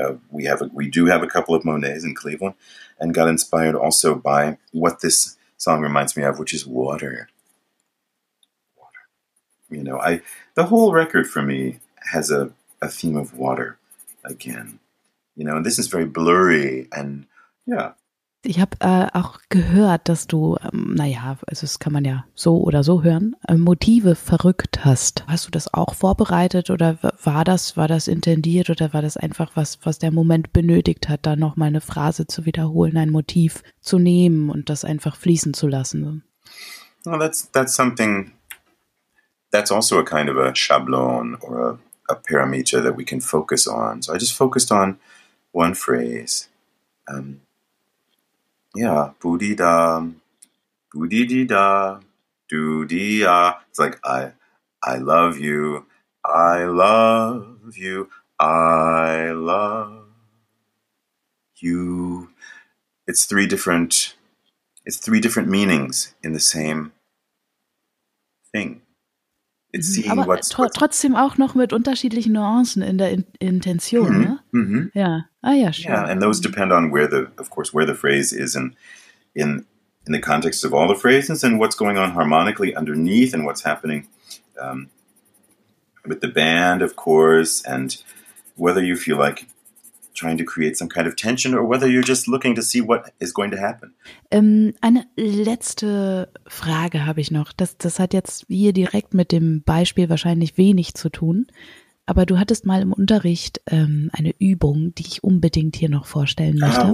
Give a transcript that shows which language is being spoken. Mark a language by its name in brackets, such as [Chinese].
[English] We do have a couple of Monets in Cleveland, and got inspired also by what this song reminds me of, which is water. Water. You know, the whole record for me has a theme of water again. You know, and this is very blurry and, yeah. [German] Ich habe auch gehört, dass du, das kann man ja so oder so hören, Motive verrückt hast. Hast du das auch vorbereitet oder war das intendiert oder war das einfach was der Moment benötigt hat, da nochmal eine Phrase zu wiederholen, ein Motiv zu nehmen und das einfach fließen zu lassen? [English] Well, that's something, that's also a kind of a Schablon or a parameter that we can focus on. So I just focused on one phrase. Yeah, boo-dee-da, boo-dee-dee-da, doo-dee-ya. It's like, I love you, I love you, I love you. It's three different meanings in the same thing. It's seeing [German] aber [English] what's, [German] trotzdem auch noch mit unterschiedlichen Nuancen in der Intention, mm-hmm, ne? Mm-hmm. [English] Yeah. Ah, yeah, sure. Yeah, and those depend on where the phrase is in the context of all the phrases and what's going on harmonically underneath and what's happening with the band, of course, and whether you feel like trying to create some kind of tension or whether you're just looking to see what is going to happen. [German] Eine letzte Frage habe ich noch. Das hat jetzt hier direkt mit dem Beispiel wahrscheinlich wenig zu tun. Aber du hattest mal im Unterricht eine Übung, die ich unbedingt hier noch vorstellen möchte.